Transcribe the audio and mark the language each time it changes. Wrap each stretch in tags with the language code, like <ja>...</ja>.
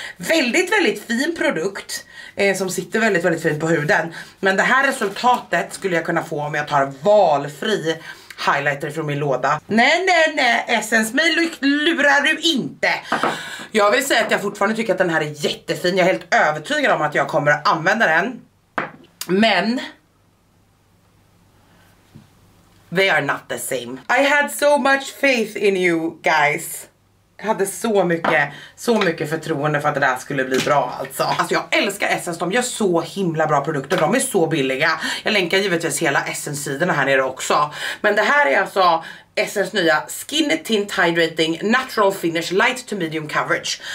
<sv>Väldigt väldigt fin produkt som sitter väldigt väldigt fint på huden. Men det här resultatet skulle jag kunna få om jag tar valfri highlighter från min låda. Nej nej nej, Essence mig lurar du inte. Jag vill säga att jag fortfarande tycker att den här är jättefin. Jag är helt övertygad om att jag kommer att använda den.</sv> <en>Men they are not the same. I had so much faith in you guys.</en> <sv>Jag hade så mycket förtroende för att det där skulle bli bra alltså. Alltså jag älskar Essence, de gör så himla bra produkter, de är så billiga. Jag länkar givetvis hela Essence-sidorna här nere också. Men det här är alltså Essence nya Skin Tint Hydrating Natural Finish Light to Medium Coverage.</sv>